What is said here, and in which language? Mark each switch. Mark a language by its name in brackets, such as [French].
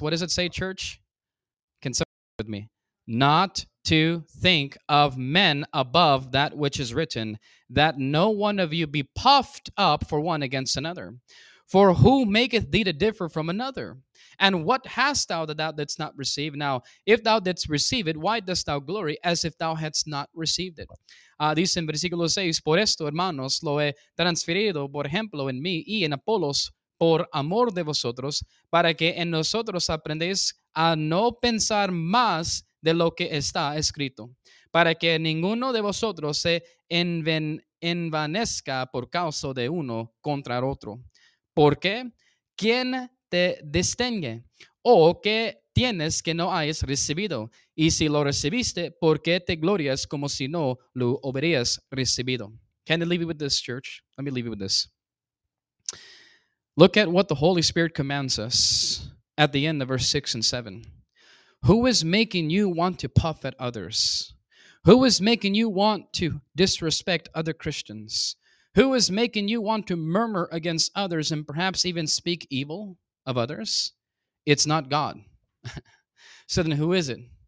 [English] What does it say, church? With me, not to think of men above that which is written, that no one of you be puffed up for one against another. For who maketh thee to differ from another? And what hast thou that thou didst not receive? Now, if thou didst receive it, why dost thou glory as if thou hadst not received it? [Spanish] Dice en versículo 6, por esto, hermanos, lo he transferido, por ejemplo, en mí y en Apolos, por amor de vosotros, para que en nosotros aprendéis a no pensar más de lo que está escrito, para que ninguno de vosotros se envanezca por causa de uno contra otro. ¿Por qué? ¿Quién te distingue? ¿O qué tienes que no hayas recibido? Y si lo recibiste, ¿por qué te glorias como si no lo hubieras recibido? [English] Can I leave you with this, church? Let me leave you with this. Look at what the Holy Spirit commands us at the end of verse 6 and 7. Who is making you want to puff at others? Who is making you want to disrespect other Christians? Who is making you want to murmur against others and perhaps even speak evil of others? It's not God. So then who is it?